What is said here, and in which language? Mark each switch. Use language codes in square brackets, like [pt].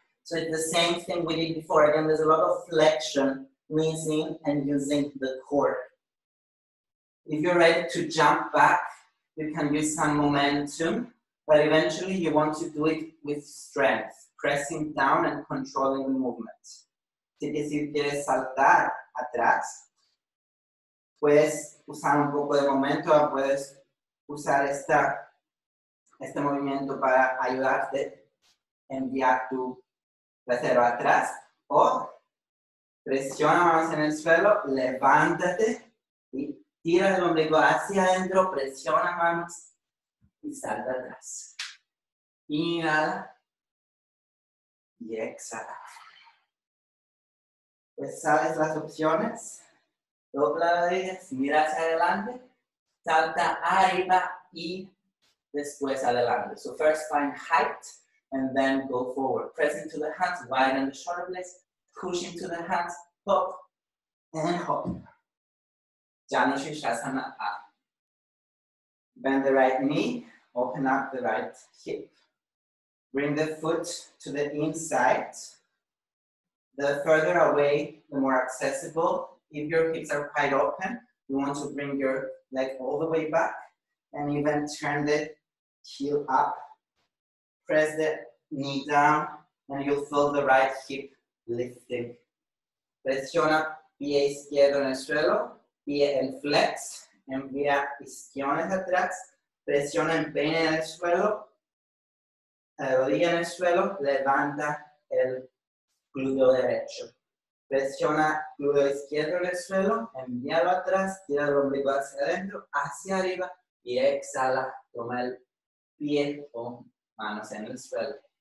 [en] So it's the same thing we did before. Again, there's a lot of flexion, leaning and using the core. If you're ready to jump back, you can use some momentum, but eventually you want to do it with strength, pressing down and controlling the movement. [es] Si quieres saltar atrás, puedes usar un poco de momento, puedes usar este movimiento para ayudarte a enviar tu trasero atrás. O presiona más en el suelo, levántate y tira el ombligo hacia adentro, presiona manos y salta atrás. Inhala y exhala. Pues sabes las opciones. Dobla rodillas, mira hacia adelante, salta arriba y después adelante. [en] So first find height and then go forward. Press into the hands, widen the shoulder blades, push into the hands, hop and hop. Jano Shishasana A. Bend the right knee, open up the right hip. Bring the foot to the inside. The further away, the more accessible. If your hips are quite open, you want to bring your leg all the way back and even turn the heel up. Press the knee down and you'll feel the right hip lifting. [es] Presiona pie izquierdo en el suelo, pie en flex, envía isquiones atrás, presiona el pene en el suelo, rodilla en el suelo, levanta el glúteo derecho. Presiona glúteo izquierdo en el suelo, envíalo atrás, tira el ombligo hacia adentro, hacia arriba y exhala, toma el pie o manos en el suelo.